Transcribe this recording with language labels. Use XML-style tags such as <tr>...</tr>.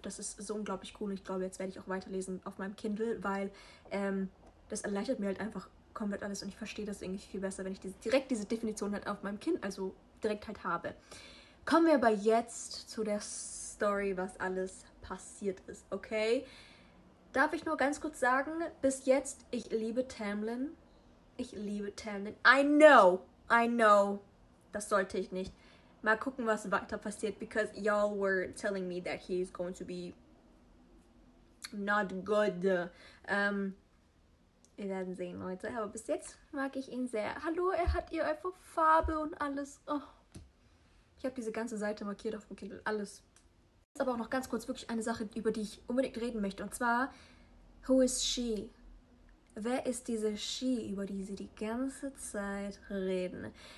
<de>Das ist so unglaublich cool. Und ich glaube, jetzt werde ich auch weiterlesen auf meinem Kindle, weil das erleichtert mir halt einfach komplett alles. Und ich verstehe das irgendwie viel besser, wenn ich diese Definition halt auf meinem Kind, also direkt halt habe. Kommen wir aber jetzt zu der Story, was alles passiert ist, okay? Darf ich nur ganz kurz sagen, bis jetzt, ich liebe Tamlin. Ich liebe Tamlin.</de> <en>I know,</en> <de>das sollte ich nicht. Mal gucken, was weiter passiert,</de> <en>because y'all were telling me that he is going to be not good.</en> <de>Wir werden sehen, Leute. Aber bis jetzt mag ich ihn sehr. Hallo, er hat ihr einfach Farbe und alles. Oh. Ich habe diese ganze Seite markiert auf dem Kindle. Alles. Jetzt aber auch noch ganz kurz wirklich eine Sache, über die ich unbedingt reden möchte. Und zwar,</de> <en>who is she?</en> <de>Wer ist diese She, über die sie die ganze Zeit reden?</de>